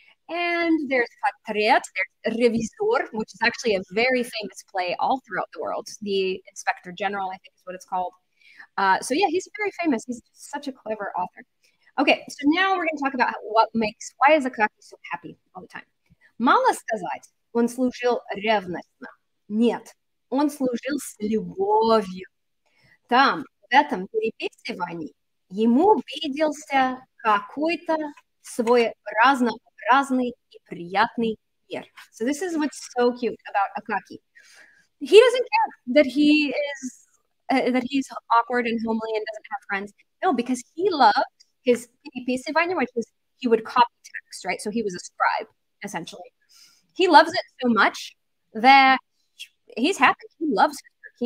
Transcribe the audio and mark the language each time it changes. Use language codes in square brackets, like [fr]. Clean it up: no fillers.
[en] And there's Портрет, there's Ревизор, which is actually a very famous play all throughout the world. The Inspector General, I think is what it's called. So yeah, he's very famous. He's such a clever author. Okay, so now we're going to talk about why is Акаки so happy all the time? [ru] Мало сказать, он служил ревностно. Нет, он служил с любовью. Там, в этом переписывании, ему виделся какой-то свой разнообразный и приятный мир. [en] So this is what's so cute about Акаки. He doesn't care that he's awkward and homely and doesn't have friends. No, because he loved his переписывание, which is he would copy text, right? So he was a scribe, essentially. He loves it so much that he's happy. He loves it.